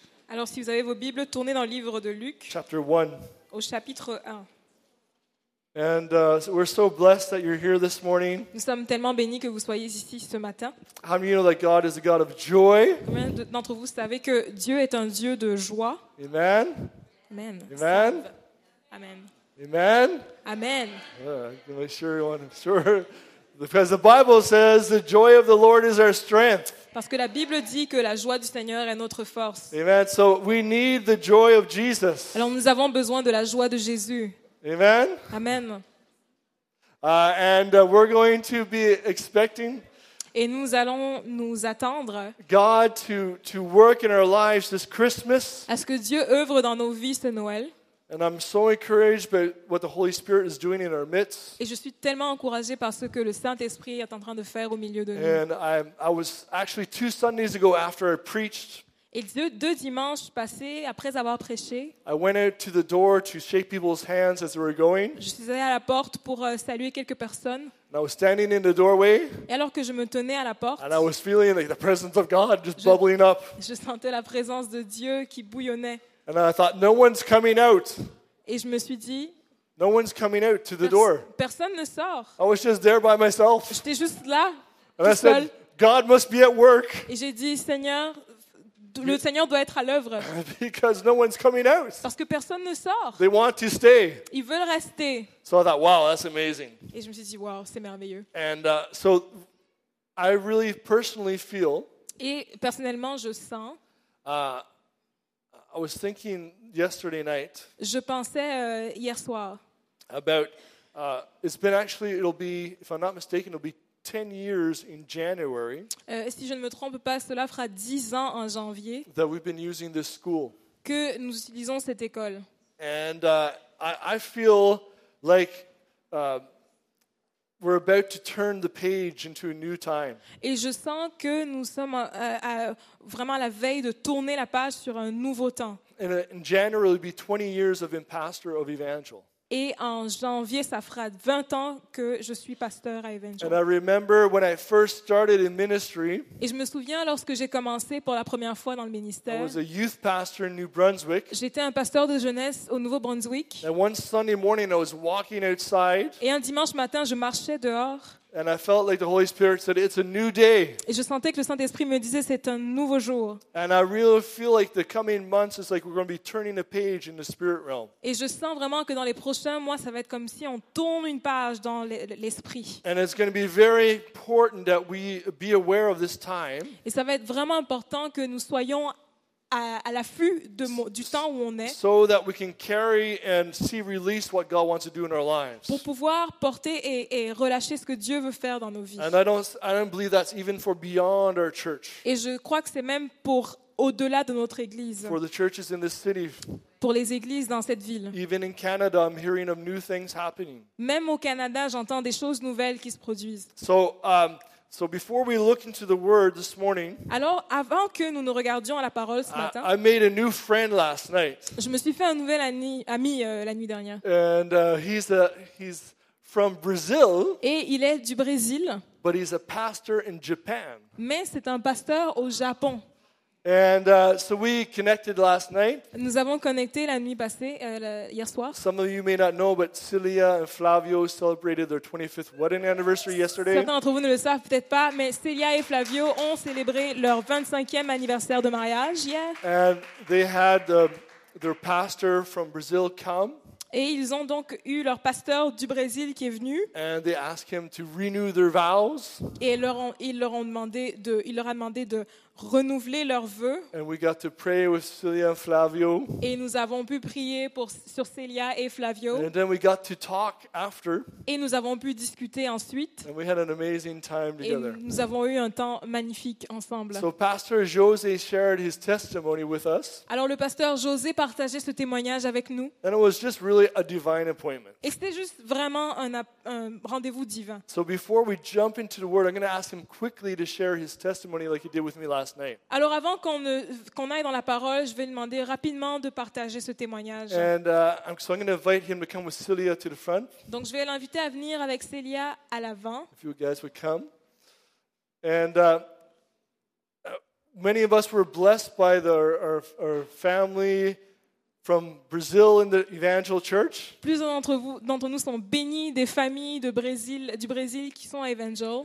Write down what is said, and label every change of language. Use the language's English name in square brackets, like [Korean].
[French] Alors, si vous avez vos Bibles, tournez dans le livre de Luc. [English] Chapter 1. [French] Au chapitre 1. [English] And we're so blessed that you're here this morning. [French] Nous sommes tellement bénis que vous soyez ici ce matin. [English] How many of you know that God is a God of joy? [French] Combien d'entre vous savez que Dieu est un Dieu de joie? Amen. Amen. Amen. Amen. Amen. Amen. [English] Am I sure you want to? Sure. Because the Bible says the joy of the Lord is our strength. [French] Parce que la Bible dit que la joie du Seigneur est notre force. [English] Amen. So we need the joy of Jesus. [French] Alors nous avons besoin de la joie de Jésus. Amen. Amen. [English] And we're going to be expecting. [French] Et nous allons nous attendre. [English] God to work in our lives this Christmas. [French] À ce que Dieu œuvre dans nos vies ce Noël. [English] And I'm so encouraged by what the Holy Spirit is doing in our midst. [French] Et je suis tellement encouragé par ce que le Saint-Esprit est en train de faire au milieu de nous. [English] And I was actually two Sundays ago after I preached. [French] Et deux dimanches passés après avoir prêché. [English] I went out to the door to shake people's hands as they were going. [French] Je suis allé à la porte pour saluer quelques personnes. [English] And I was standing in the doorway. [French] Et alors que je me tenais à la porte. [English] And I was feeling like the presence of God just bubbling up. [French] Je sentais la présence de Dieu qui bouillonnait. [English] And I thought, no one's coming out. [French] Et je me suis dit, [English] no one's coming out to the door. [French] Personne ne sort. [English] I was just there by myself. [French] J'étais juste là, [English] and I said, God must be at work. [French] Et j'ai dit, Seigneur, le Seigneur doit être à l'œuvre. [English] Because no one's coming out. [French] Parce que personne ne sort. [English] They want to stay. [French] Ils veulent rester. [English] So I thought, wow, that's amazing. [French] Et je me suis dit, wow, c'est merveilleux. [English] And so I really personally feel. [French] Et personnellement, je sens. [English] I was thinking yesterday night. [French] Je pensais hier soir. [English] About it's been actually it'll be if I'm not mistaken it'll be 10 years in January. [French] Si je ne me trompe pas, cela fera 10 ans en janvier. [English] That we've been using this school. [French] Que nous utilisons cette école. [English] And I feel like we're about to turn the page into a new time. [French] Et je sens que nous sommes vraiment à la veille de tourner la page sur un nouveau temps. [English] And in January it'll be 20 years of being pastor of Evangel. [French] Et en janvier ça fera 20 ans que je suis pasteur à Evangel. [English] And I remember when I first started in ministry. [French] Et je me souviens lorsque j'ai commencé pour la première fois dans le ministère. [English] I was a youth pastor in New Brunswick. [French] J'étais un pasteur de jeunesse au Nouveau-Brunswick. [English] And one Sunday morning I was walking outside. [French] Et un dimanche matin je marchais dehors. [English] And I felt like the Holy Spirit said it's a new day. [French] Et je sentais que le Saint-Esprit me disait c'est un nouveau jour. [English] And I really feel like the coming months is like we're going to be turning a page in the spirit realm. [French] Et je sens vraiment que dans les prochains mois ça va être comme si on tourne une page dans l'esprit. [English] And it's going to be very important that we be aware of this time. [French] Et ça va être vraiment important que nous soyons à l'affût du temps où on est. [English] So that we can carry and see release what God wants to do in our lives. [French] Pour pouvoir porter et relâcher ce que Dieu veut faire dans nos vies. [English] And I don't believe that's even for beyond our church. [French] Et je crois que c'est même pour au-delà de notre église. [English] For the churches in this city. [French] Pour les églises dans cette ville. [English] Even in Canada, I'm hearing of new things happening. [French] Même au Canada, j'entends des choses nouvelles qui se produisent. [English] So before we look into the word this morning. [French] Alors avant que nous nous regardions à la parole ce matin. [English] I made a new friend last night. [French] Je me suis fait un nouvel ami la nuit dernière. [English] And he's from Brazil. [French] Et il est du Brésil. [English] But he's a pastor in Japan. [French] Mais c'est un pasteur au Japon. [English] And so we connected last night. [French] Nous avons connecté la nuit passée hier soir. [English] Some of you may not know, but Celia and Flavio celebrated their 25th wedding anniversary yesterday. [French] Certains d'entre vous ne le savent peut-être pas, mais Celia et Flavio ont célébré leur 25e anniversaire de mariage hier. [English] And they had their pastor from Brazil come. [French] Et ils ont donc eu leur pasteur du Brésil qui est venu. [English] And they asked him to renew their vows. [French] Et il leur a demandé de renouveler leurs vœux. [English] And we got to pray with Celia and Flavio. [French] Et nous avons pu prier sur Celia et Flavio. [English] And then we got to talk after. [French] Et nous avons pu discuter ensuite. [English] And we had an amazing time together. [French] Et nous avons eu un temps magnifique ensemble. [English] So Pastor José shared his testimony with us. [French] Alors le pasteur José partageait ce témoignage avec nous. [English] And it was just really a divine appointment. [French] Et c'était juste vraiment un rendez-vous divin. [English] So before we jump into the word, I'm going to ask him quickly to share his testimony like he did with me. [French] Alors avant qu'on aille dans la parole, je vais demander rapidement de partager ce témoignage. Donc je vais l'inviter à venir avec Celia à l'avant. [English] If you guys would come. And Many of us were blessed by our family from Brazil in the Evangel Church. [French] Plusieurs d'entre nous sont bénis des familles de Brésil, du Brésil qui sont à Evangel.